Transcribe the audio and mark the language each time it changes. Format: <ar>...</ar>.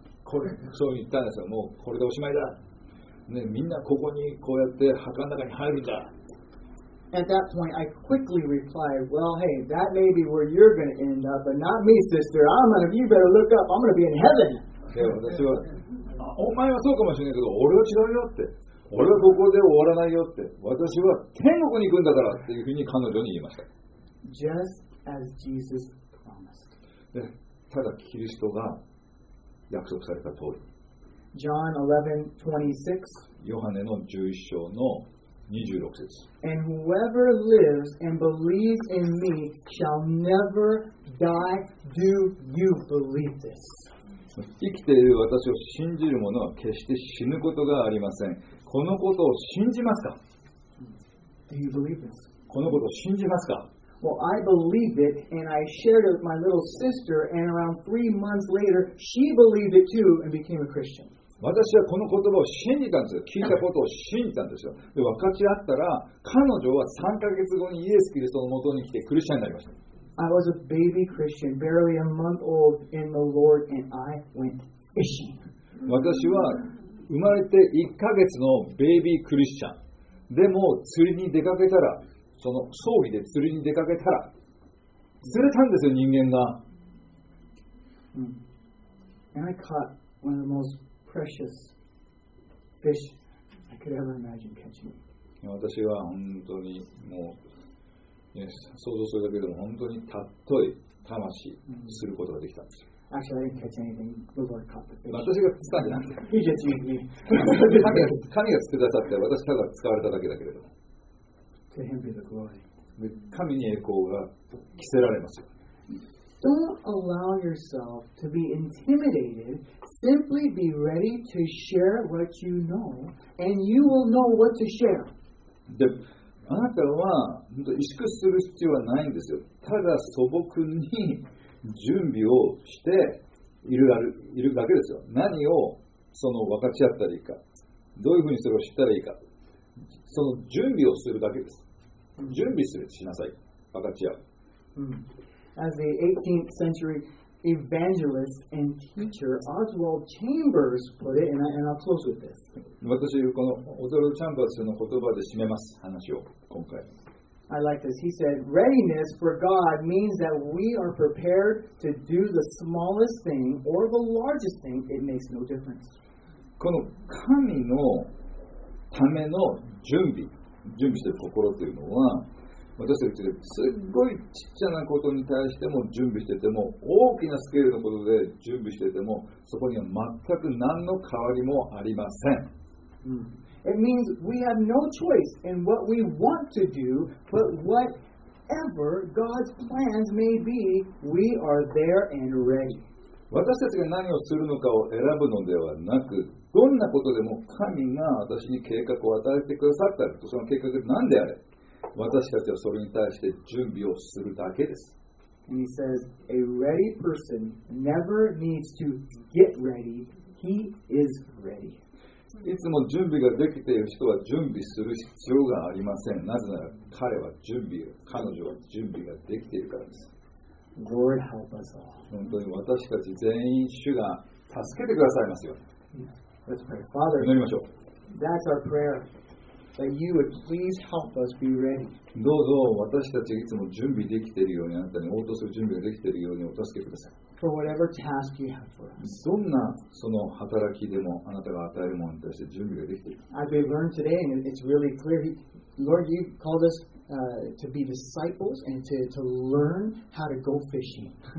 <ja>これそう言ったんですよ。もうこれでおしまいだ。ねみんなここにこうやって墓の中に入るんだ。</ja> <en>At that point, I quickly replied, "Well, hey, that may be where you're going to end up, but not me, sister. You better look up. I'm going to be in heaven."</en> <ja>で私は。お前はそうかもしれないけど、俺は違うよって、俺はここで終わらないよって、私は天国に行くんだからっていうふうに彼女に言いました。</ja> <en>Just as Jesus promised.</en> <ja>で、ただキリストが約束された通り。</ja> <en>John 11:26.</en> <ja>ヨハネの11章の26節。</ja> <en>And whoever lives and believes in me shall never die. Do you believe this?</en> <ja>生きている私を信じる者は決して死ぬことがありません。このことを信じますか？</ja> <en>Do you believe this?</en> <ja>このことを信じますか？</ja> <en>Well, I believed it, and I shared it with my little sister, and around 3 months later, she believed it too and became a Christian.</en> <ja>私はこの言葉を信じたんですよ。聞いたことを信じたんですよ。で、分かち合ったら、彼女は3ヶ月後にイエス・キリストの元に来てクリスチャンになりました。</ja> <en>I was a baby Christian, barely a month old in the Lord, and I went fishing.</en> <ja>私は生まれて1ヶ月のベイビークリスチャン。でも釣りに出かけたら、その葬儀で釣りに出かけたら、釣れたんですよ、人間が。</ja> <en>And I caught one of the most precious fish I could ever imagine catching.</en> <ja>私は本当にもう、Yes. 想像するだけでも本当にたっとい魂することができたんですよ。</ja> <en>Actually, I didn't catch anything. The Lord caught the fish.</en> <ja>私が釣ったんじゃなくて。</ja> <en>He just used me.</en> <ja>神が釣ってくださって、私ただ使われただけだけれども</ja> <en>。 To him be the glory.</en> <ja>神に栄光が着せられますよ。</ja> <en>Don't allow yourself to be intimidated. Simply be ready to share what you know, and you will know what to share.</en> <ja>であなたは本当萎縮する必要はないんですよ。ただ素朴に準備をしている いるだけですよ。何をその分かち合ったらいいか、どういうふうにそれを知ったらいいか、その準備をするだけです。準備するしなさい、分かち合う。</ja> <en>As the 18th century evangelist and teacher Oswald Chambers put it, and I'll close with this.</en> <ja>私はこのオズワルド・チャンバースの言葉で締めます、話を。</ja> <en>I like this. He said, "Readiness for God means that we are prepared to do the smallest thing or the largest thing. It makes no difference."</en> <ja>この神のための準備してる心というのは、私たちがすっごいちっちゃなことに対しても準備してても、大きなスケールのことで準備してても、そこには全く何の変わりもありません。</ja> <en>It means we have no choice in what we want to do, but whatever God's plans may be, we are there and ready.</en> <ja>私たちが何をするのかを選ぶのではなく、どんなことでも神が私に計画を与えてくださったら、その計画が何であれ、私たちはそれに対して準備をするだけです。</ja> <en>And he says, a ready person never needs to get ready. He is ready.</en> <ja>いつも準備ができている人は準備する必要がありません。なぜなら彼は準備、彼女は準備ができているからです。</ja> <en>Lord help us all.</en> <ja>本当に私たち全員主が助けてくださいますよ。</ja> <en>Let's pray. Father,</en> <ja>祈りましょう。</ja> <en>That's our prayer. That you would please help us be ready.</en> <ja>どうぞ私たちいつも準備できているようにあなたに応答する準備ができているようにお助けください。</ja> <en>For whatever task you have for us.</en> <ja>どんなその働きでもあなたが与えるものに対して準備ができている。</ja> <en>As we learned today, and it's really clear, Lord, you called us, to be disciples and to learn how to go fishing.</en>